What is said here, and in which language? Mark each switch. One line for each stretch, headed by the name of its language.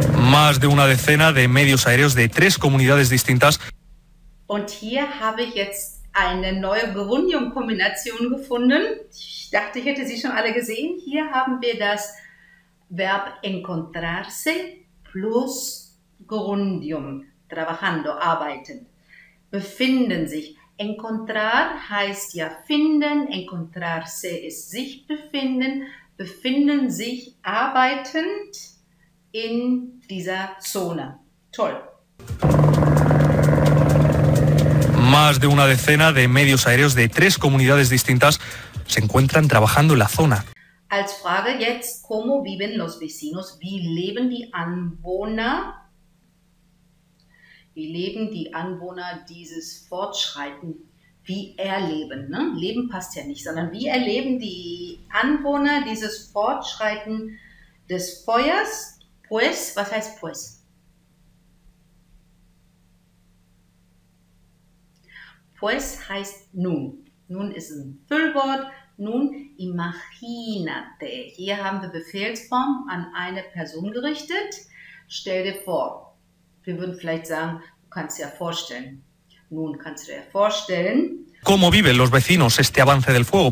Spanish: Más de una decena de medios aéreos de tres comunidades distintas.
German: Und hier habe ich jetzt eine neue Gerundiumkombination gefunden. Ich dachte, ich hätte sie schon alle gesehen. Hier haben wir das Verb encontrarse plus gerundium, trabajando, arbeitend. Befinden sich. Encontrar heißt ja finden. Encontrarse ist sich befinden. Befinden sich arbeitend in dieser Zone. Toll.
Spanish: Más de una decena de medios aéreos de tres comunidades distintas se encuentran trabajando en la zona.
German: Als Frage jetzt,
Spanish: ¿cómo viven los vecinos?
German: ¿Wie leben die Anwohner? ¿Wie leben die Anwohner dieses Fortschreiten? Wie erleben? Ne? Leben passt ja nicht, sondern wie erleben die Anwohner dieses Fortschreiten des Feuers? Pues, was heißt pues? Pues heißt nun. Nun ist ein Füllwort. Nun,
Spanish: imagínate.
German: Hier haben wir Befehlsform an eine Person gerichtet. Stell dir vor. Wir würden vielleicht sagen, du kannst dir ja vorstellen. Nun kannst du dir vorstellen.
Spanish: ¿Cómo viven los vecinos este avance del fuego?